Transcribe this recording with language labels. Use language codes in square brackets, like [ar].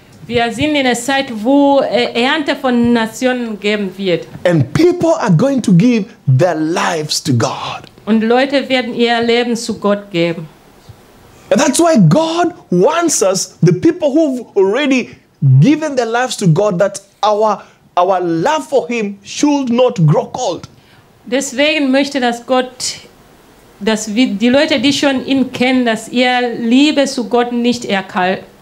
[de] Wir sind in einer Zeit, wo Ernte von Nationen geben wird. [en] And people are going to give their lives to God. [de] Und Leute werden ihr Leben zu Gott geben. [en] And that's why God wants us, the people who've already given their lives to God, that our love for him should not grow cold. [de] Deswegen möchte das Gott, dass die Leute, die schon ihn kennen, dass ihr Liebe zu Gott nicht erkalten.